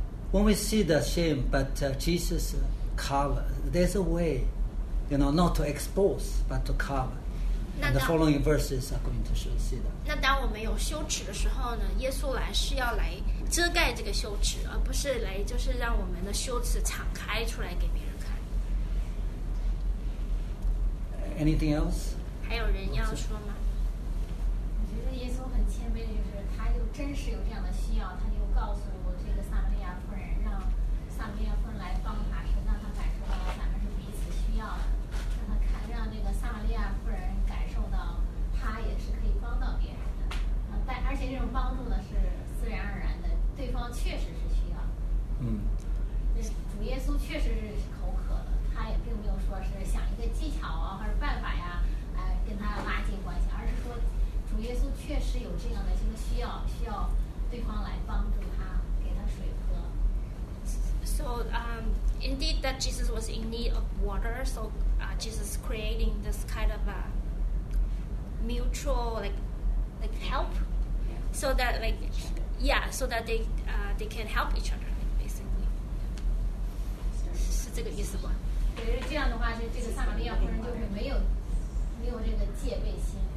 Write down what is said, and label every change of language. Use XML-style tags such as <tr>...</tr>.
<en>When we see the shame, but Jesus cover, there's a way, you know, not to expose, but to cover. And the following verses are going to show you see that.</en> <zh>那当我们有羞耻的时候呢，耶稣来是要来遮盖这个羞耻，而不是来就是让我们的羞耻敞开出来给别人看。</zh> <en>Anything else?</en> <zh>还有人要说吗？我觉得耶稣很谦卑的，就是他又真实有这样的需要，他又告诉我这个撒玛利亚妇人，让撒玛利亚妇人来帮他，是让他感受到咱们是彼此需要的，让他看，让那个撒玛利亚妇人感受到他也是可以帮到别人的，但而且这种帮助呢是自然而然的，对方确实是需要。嗯，主耶稣确实是口渴的，他也并没有说是想一个技巧啊或者办法呀。跟他拉近关系，而是说主耶稣确实有这样的这个需要对方来帮助他，给他水喝。</zh> <en>So, indeed that Jesus was in need of water, so Jesus creating this kind of a mutual like help, so that so that they can help each other, basically.</en> <zh>是这个意思吧？对，这样的话，这个撒玛利亚妇人就会没有这个戒备心，</zh>